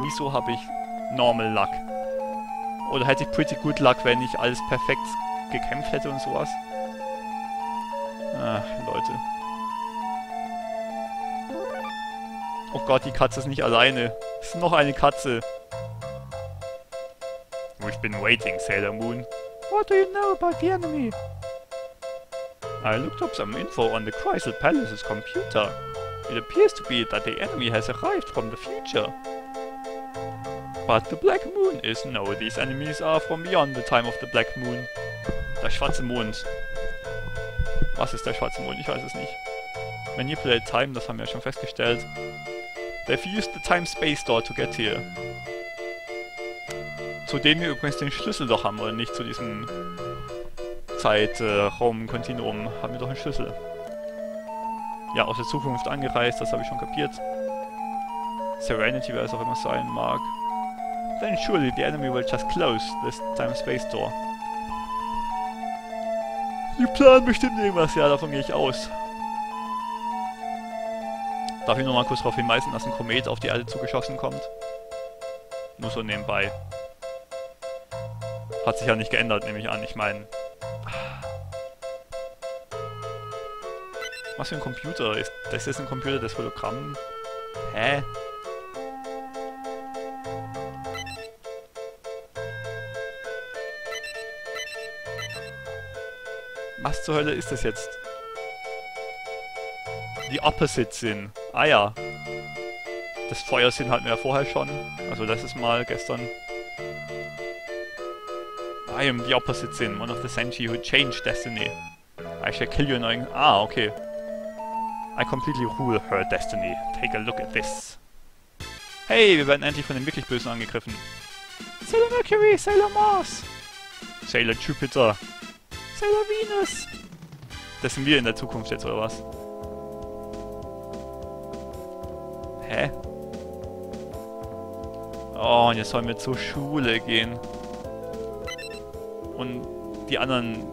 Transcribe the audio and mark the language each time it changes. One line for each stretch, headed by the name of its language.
German: Wieso habe ich Normal Luck? Oder hätte ich Pretty Good Luck, wenn ich alles perfekt gekämpft hätte und sowas? Ach, Leute. Oh Gott, die Katze ist nicht alleine. Es ist noch eine Katze.
English: We've been waiting, Sailor Moon. What do you know about the enemy? I looked up some info on the Crystal Palace's computer. It appears to be that the enemy has arrived from the future. about the Black Moon is, no, these enemies are from beyond the time of the Black Moon.
German: Der schwarze Mond. Was ist der schwarze Mond? Ich weiß es nicht.
English: Manipulate time,
German: das haben wir ja schon festgestellt.
English: They've used the time-space door to get here.
German: Zu dem wir übrigens den Schlüssel doch haben, oder nicht? Zu diesem Zeit-Raum-Kontinuum haben wir doch einen Schlüssel. Ja, aus der Zukunft angereist, das habe ich schon kapiert. Serenity, wer es auch immer sein mag.
English: Then surely the enemy will just close this time-space door.
German: Die planen bestimmt irgendwas, ja, davon gehe ich aus. Darf ich nur mal kurz darauf hinweisen, dass ein Komet auf die Erde zugeschossen kommt? Nur so nebenbei. Hat sich ja nicht geändert, nehme ich an. Ich meine... Was für ein Computer? Ist das jetzt ein Computer, das Hologramm? Hä? Was zur Hölle ist das jetzt? Die Opposite-Sinn. Ah ja. Das Feuersinn hatten wir ja vorher schon. Also letztes Mal, gestern.
English: I am the Opposite-Sinn. One of the Senshi who changed destiny. I shall kill you in
German: ein...
English: Ah, okay. I completely rule her destiny. Take a look at this.
German: Hey, wir werden endlich von den wirklich Bösen angegriffen.
English: Sailor Mercury, Sailor Mars. Sailor Jupiter. Sailor Venus.
German: Das sind wir in der Zukunft jetzt, oder was? Hä? Oh, und jetzt sollen wir zur Schule gehen. Und die anderen...